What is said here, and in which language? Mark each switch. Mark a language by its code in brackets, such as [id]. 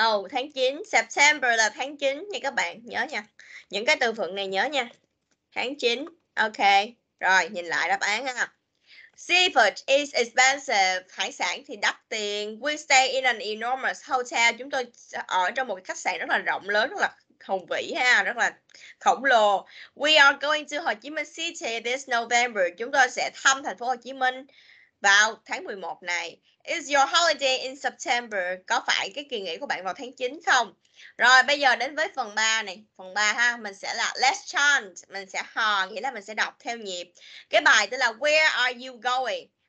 [vi] Tháng 9. September là tháng 9 nha các bạn. Nhớ nha. Những cái từ vựng này nhớ nha. Tháng 9. Ok. Rồi, nhìn lại đáp án ha. [en] Seafood is expensive. [vi] Hải sản thì đắt tiền. [en] We stay in an enormous hotel. [vi] Chúng tôi ở trong một cái khách sạn rất là rộng lớn, rất là hùng vĩ ha, rất là khổng lồ. [en] We are going to Ho Chi Minh City this November. [vi] Chúng tôi sẽ thăm thành phố Hồ Chí Minh vào tháng 11 này. [en] Is your holiday in September? [vi] Có phải cái kỳ nghỉ của bạn vào tháng 9 không? Rồi, bây giờ đến với phần 3 này. Phần 3 ha, mình sẽ là [en] let's chant. [vi] Mình sẽ hò, nghĩa là mình sẽ đọc theo nhịp. Cái bài tên là [en] Where are you going?